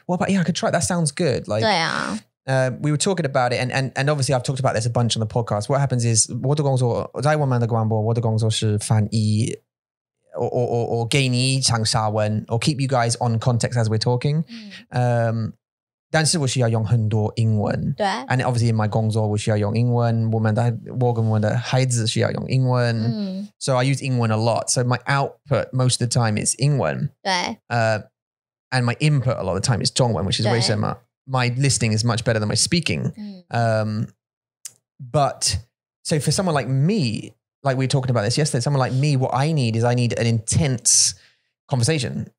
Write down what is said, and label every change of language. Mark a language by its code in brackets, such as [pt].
[en] What about, yeah, I could try it. That sounds good like, [zh] 对啊 [en] We were talking about it and obviously I've talked about this a bunch on the podcast What happens is [zh] 我的工作在我们的广播我的工作是翻译 [en] Or [zh] 给你长沙文 [en] or keep you guys on context as we're talking. [zh] 但是我需要用很多英文。对。 [en] And obviously in my [zh] 工作我需要用英文。我跟我的孩子需要用英文。 [en] So I use 英文 a lot. So my output most of the time is 英文。 [zh] 对。 [en] And my input a lot of the time is 中文, which is [zh] 为什么 [en] my listening is much better than my speaking. But, so for someone like me,Like we were talking about this yesterday, someone like me, what I need is I need an intense conversation